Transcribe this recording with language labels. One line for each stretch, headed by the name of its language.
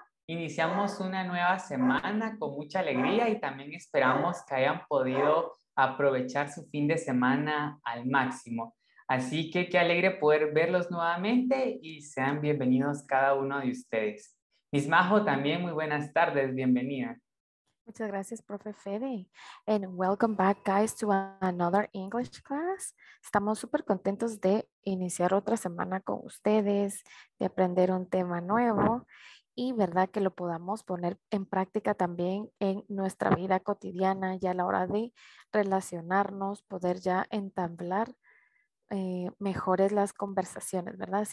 Spanish: Iniciamos una nueva semana con mucha alegría y también esperamos que hayan podido aprovechar su fin de semana al máximo. Así que qué alegre poder verlos nuevamente y sean bienvenidos cada uno de ustedes. Miss Majo, también muy buenas tardes, bienvenida. Muchas gracias, profe Fede.
English: And welcome back, guys, to another English class.
Spanish: Estamos súper contentos de iniciar otra semana con ustedes, de aprender un tema nuevo y, verdad, que lo podamos poner en práctica también en nuestra vida cotidiana y a la hora de relacionarnos, poder ya entablar mejores las conversaciones, ¿verdad?